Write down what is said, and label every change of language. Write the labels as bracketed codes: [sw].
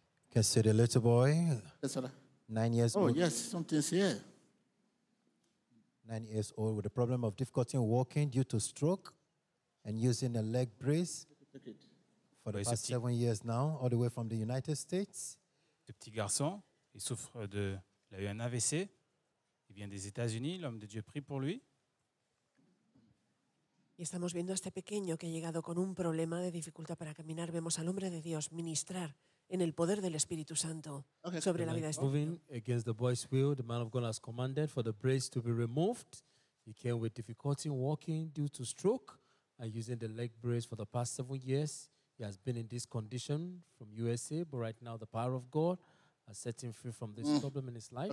[en] Can see the little boy. Yes, sir. 9 years old. Oh, yes, something's here. 9 years old with a problem of difficulty in walking due to stroke and using a leg brace for the past 7 years now, all the way from the United States. [fr] Ce petit garçon, il souffre de, il a eu un AVC, il vient des États-Unis, l'homme de Dieu prie pour lui. [es] Y estamos viendo a este pequeño que ha llegado con un problema de dificultad para caminar. Vemos al hombre de Dios ministrar en el poder del Espíritu Santo sobre la vida de este niño. [en] Moving against the boy's will, the man of God has commanded for the brace to be removed. He came with difficulty in walking due to stroke and using the leg brace for the past 7 years. He has been in this condition from USA, but right now the power of God has set him free from this problem in his life.